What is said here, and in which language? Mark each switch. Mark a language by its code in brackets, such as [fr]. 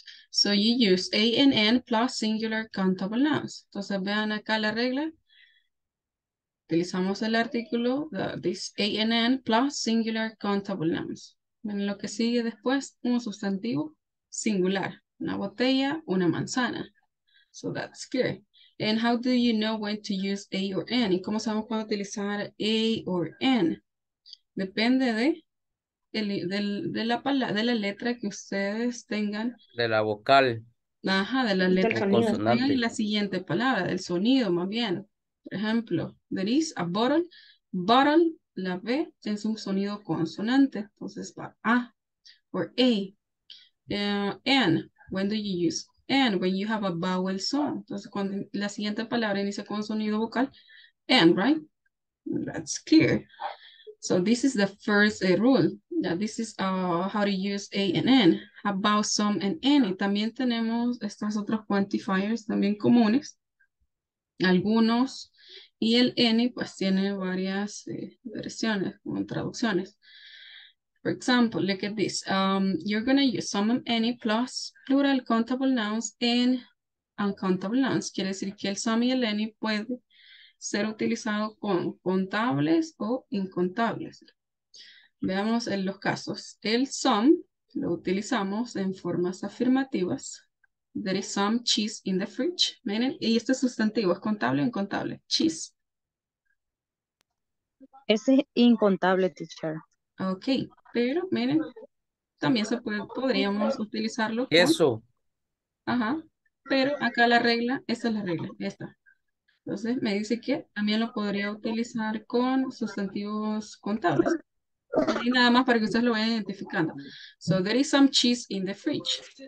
[en] So you use A and N plus singular countable nouns. [es] Entonces vean acá la regla. Utilizamos el artículo, [en] this ANN plus singular countable nouns. [es] En lo que sigue después, un sustantivo singular. Una botella, una manzana. [en] So that's clear. And how do you know when to use A or N? [es] ¿Y cómo sabemos cuándo utilizar A or N? Depende de la letra que ustedes tengan. De la vocal. Ajá, de la letra. Tengan la siguiente palabra, del sonido más bien. Por ejemplo, [en] there is a bottle. Bottle, [es] la B, es un sonido consonante. Entonces va [en] A or A. And, when do you use? And, when you have a vowel sound. [es] Entonces cuando la siguiente palabra inicia con sonido vocal. [en] And, right? That's clear. So this is the first rule. Now, this is how to use A and N. About some and any. [es] También tenemos estas otras quantifiers también comunes. Algunos. Y el any pues tiene varias versiones, como traducciones. [en] For example, look at this. You're going to use some and any plus plural countable nouns and uncountable nouns. [es] Quiere decir que el some y el any puede ser utilizado con contables o incontables. Veamos en los casos. El some lo utilizamos en formas afirmativas. [en] There is some cheese in the fridge. [es] ¿Miren? Y este sustantivo, ¿es contable o incontable? [en] Cheese. [es] Ese es incontable, teacher. Ok, pero miren, también se puede, podríamos utilizarlo. Eso. Ajá, pero acá la regla, esta es la regla, esta. Entonces me dice que también lo podría utilizar con sustantivos contables. Y nada más para que ustedes lo vayan identificando. [en] So there is some cheese in the fridge.